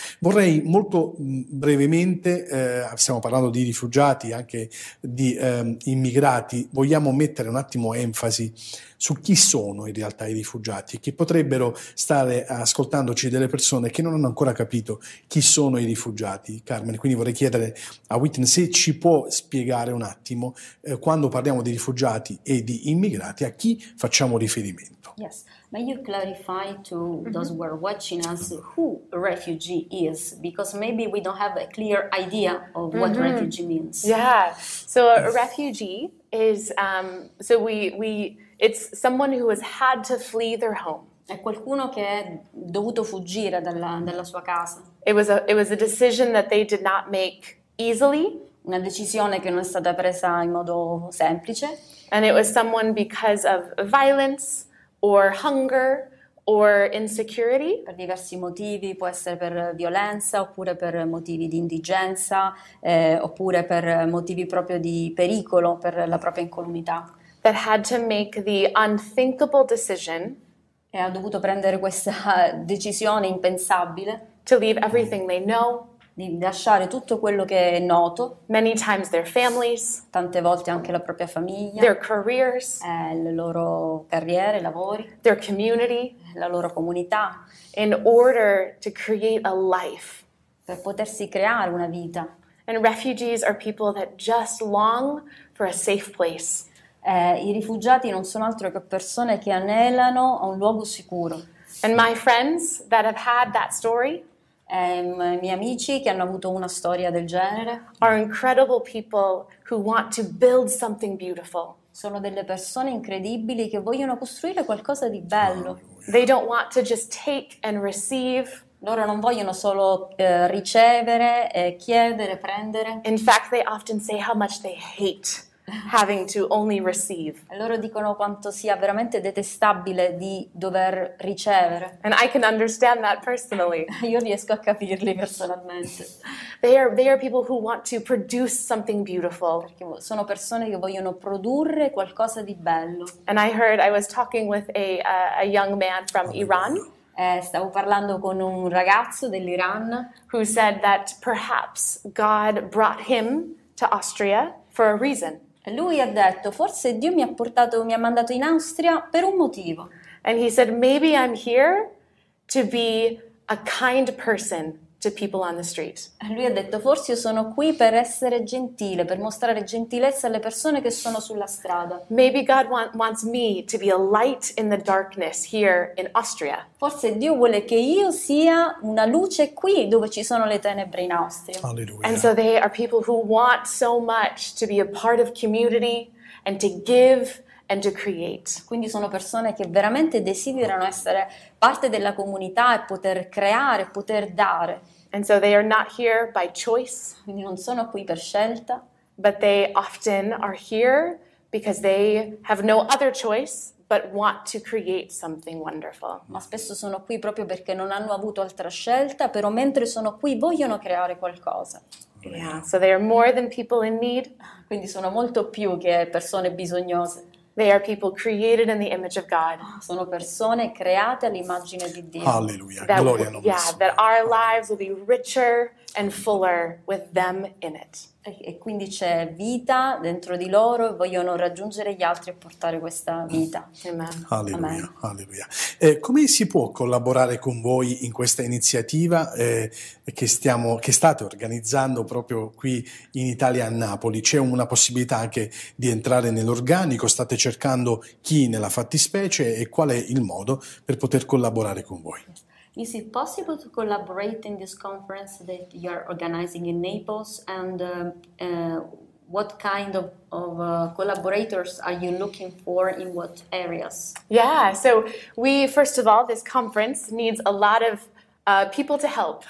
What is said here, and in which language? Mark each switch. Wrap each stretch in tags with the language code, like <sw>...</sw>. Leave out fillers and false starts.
<it>Vorrei molto brevemente, stiamo parlando di rifugiati, anche di immigrati, vogliamo mettere un attimo enfasi su chi sono in realtà i rifugiati, che potrebbero stare ascoltandoci delle persone che non hanno ancora capito chi sono i rifugiati, Carmen. Quindi vorrei chiedere a Whitney se ci può spiegare un attimo, quando parliamo di rifugiati e di immigrati, a chi facciamo riferimento.</it> <en>Yes, may you clarify to those who are watching us who a refugee is, because maybe we don't have a clear idea of what refugee means. Yeah, so a refugee is, it's someone who has had to flee their home.</en> <it>È qualcuno che è dovuto fuggire dalla sua casa.</it> <en>It was a decision that they did not make easily.</en> <it>Una decisione che non è stata presa in modo semplice.</it> <en>And it was someone because of violence or hunger or insecurity.</en> <it>Per diversi motivi, può essere per violenza oppure per motivi di indigenza oppure per motivi proprio di pericolo per la propria incolumità.</it> <en>That had to make the unthinkable decision,</en> <it>e ha dovuto prendere questa decisione impensabile,</it> <en>to leave everything they know,</en> <it>di lasciare tutto quello che è noto,</it> <en>many times their families,</en> <it>tante volte anche la propria famiglia,</it> <en>their careers,</en> <it>le loro carriere, lavori,</it> <en>their community,</en> <it>la loro comunità,</it> <en>in order to create a life,</en> <it>per potersi creare una vita.</it> <en>And refugees are people that just long for a safe place.</en> <it>I rifugiati non sono altro che persone che anelano a un luogo sicuro.</it> <en>And my friends that have had that story,</en> <it>I miei amici che hanno avuto una storia del genere,</it> <en>are incredible people who want to build something beautiful.</en> <it>Sono delle persone incredibili che vogliono costruire qualcosa di bello.</it> <en>They don't want to just take and receive.</en> <it>Loro non vogliono solo ricevere, chiedere, prendere.</it> <en>In fact, they often say how much they hate having to only receive.</en> <it>E loro dicono quanto sia veramente detestabile di dover ricevere.</it> <en>And I can understand that personally.</en> <it>Io riesco a capirli personalmente.</it> <en>They are people who want to produce something beautiful.</en> <it>Perché sono persone che vogliono produrre qualcosa di bello.</it> <en>And I heard, I was talking with a young man from Iran.</en> <it>Stavo parlando con un ragazzo dell'Iran</it> <en>who said that perhaps God brought him to Austria for a reason.</en> <it>Lui ha detto forse Dio mi ha portato, mi ha mandato in Austria per un motivo.</it> <en>And he said maybe I'm here to be a kind person to people on the street.</en> <it>Lui ha detto forse io sono qui per essere gentile, per mostrare gentilezza alle persone che sono sulla strada.</it> <en>Maybe God wants me to be a light in the darkness here in Austria.</en> <it>Forse Dio vuole che io sia una luce qui dove ci sono le tenebre in Austria. Alleluia.</it> <en>And so they are people who want so much to be a part of community and to give and to create.</en> <it>Quindi sono persone che veramente desiderano essere parte della comunità e poter creare, poter dare.</it> <en>And so they are not here by choice.</en> <it>Quindi non sono qui per scelta.</it> <en>But they often are here because they have no other choice but want to create something wonderful.</en> <it>Ma spesso sono qui proprio perché non hanno avuto altra scelta, però mentre sono qui vogliono creare qualcosa.</it> <en>Yeah, so they are more than people in need.</en> <it>Quindi sono molto più che persone bisognose.</it> <en>They are people created in the image of God.</en> <it>Sono persone create all'immagine di Dio.</it> <en>Hallelujah. That,</en> <it>gloria a yeah, nome.</it> <en>That our lives will be richer and fuller with them in it.</en> <it>E quindi c'è vita dentro di loro e vogliono raggiungere gli altri e portare questa vita. Alleluia, alleluia. Come si può collaborare con voi in questa iniziativa che state organizzando proprio qui in Italia a Napoli? C'è una possibilità anche di entrare nell'organico? State cercando chi nella fattispecie e qual è il modo per poter collaborare con voi?</it> <en>Is it possible to collaborate in this conference that you are organizing in Naples? And what kind of collaborators are you looking for in what areas? Yeah, so we, first of all, this conference needs a lot of people to help.</en>